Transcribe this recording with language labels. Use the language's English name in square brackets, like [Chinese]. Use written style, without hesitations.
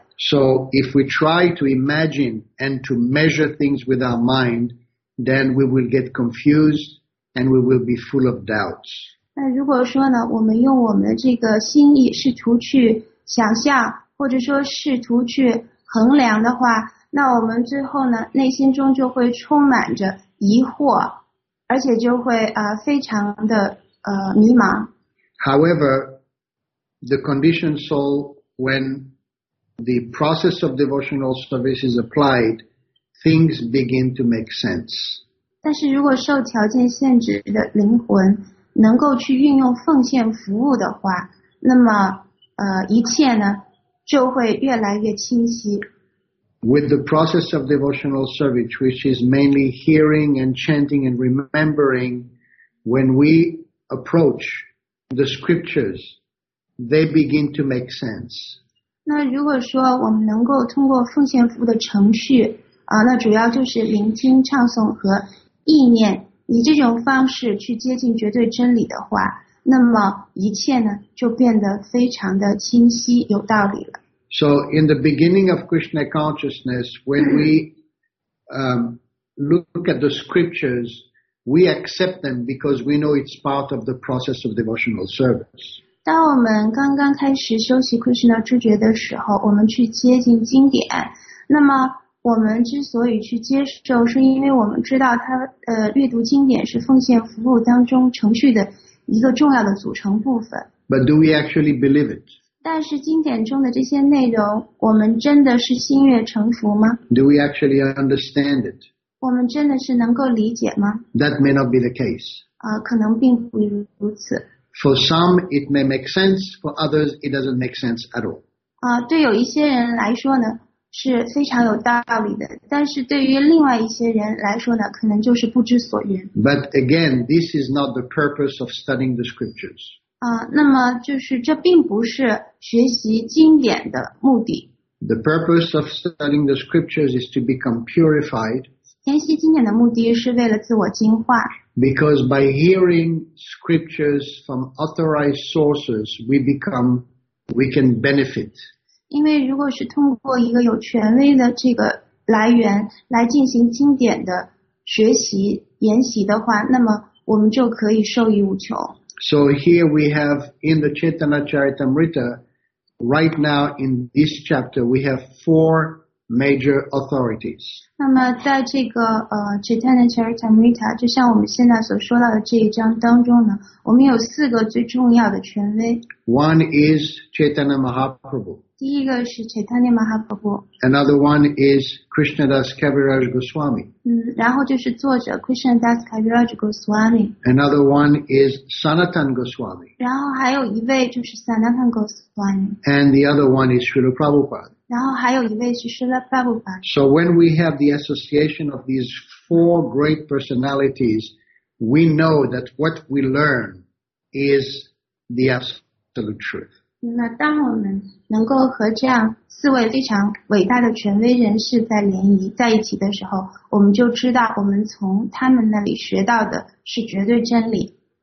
[English] So if we try to imagine and to measure things with our mind, then we will get confused and we will be full of doubts. [Chinese] 那如果说呢，我们用我们的这个心意试图去想象，或者说试图去衡量的话，那我们最后呢，内心中就会充满着疑惑，而且就会非常的迷茫。 [English] However, the conditioned soul, when the process of devotional service is applied, things begin to make sense. [Chinese] 但是如果受条件限制的灵魂能够去运用奉献服务的话，那么一切呢就会越来越清晰。 [English] With the process of devotional service, which is mainly hearing and chanting and remembering, when we approach the scriptures, they begin to make sense. [Chinese] 那如果说我们能够通过奉献服务的程序啊，那主要就是聆听、唱诵和意念，以这种方式去接近绝对真理的话，那么一切呢就变得非常的清晰、有道理了。 [English] So in the beginning of Krishna consciousness, when we look at the scriptures, we accept them because we know it's part of the process of devotional service. [Chinese] 当我们刚刚开始修习 Krishna 知觉的时候，我们去接近经典。那么我们之所以去接受，是因为我们知道它阅读经典是奉献服务当中程序的一个重要的组成部分。 [English] But do we actually believe it? [Chinese] 但是经典中的这些内容，我们真的是心悦诚服吗 [English] ？Do we actually understand it？ [Chinese] 我们真的是能够理解吗 [English] ？That may not be the case。 [Chinese] 可能并不如此。 [English] For some, it may make sense. For others, it doesn't make sense at all。 [Chinese] 对有一些人来说呢，是非常有道理的；但是对于另外一些人来说呢，可能就是不知所云。 [English] But again, this is not the purpose of studying the scriptures。 [Chinese] 那么就是这并不是学习经典的目的。 [English] The purpose of studying the scriptures is to become purified. [Chinese] 研习经典的目的是为了自我净化。 [English] Because by hearing scriptures from authorized sources, we can benefit. [Chinese] 因为如果是通过一个有权威的这个来源来进行经典的学习研习的话，那么我们就可以受益无穷。 [English] So here we have in the Chaitanya Charitamrita, right now in this chapter, we have four major authorities. [Chinese] 那么在这个Chaitanya Charitamrita, 就像我们现在所说到的这一章当中呢，我们有四个最重要的权威。 [English] One is Chaitanya Mahaprabhu. [Chinese] 第一个是 Chaitanya Mahaprabhu. [English] Another one is Krishnadas Kaviraj Goswami. [Chinese] 然后就是作者 Krishnadas Kaviraj Goswami. [English] Another one is Sanatan Goswami. [Chinese] 然后还有一位就是 Sanatan Goswami. [English] And the other one is Srila Prabhupada. [Chinese] 然后还有一位是 Srila Prabhupada. [English] So when we have the association of these four great personalities, we know that what we learn is the absolute truth. [Chinese] 那当我们能够和这样四位非常伟大的权威人士在联谊在一起的时候，我们就知道我们从他们那里学到的是绝对真理。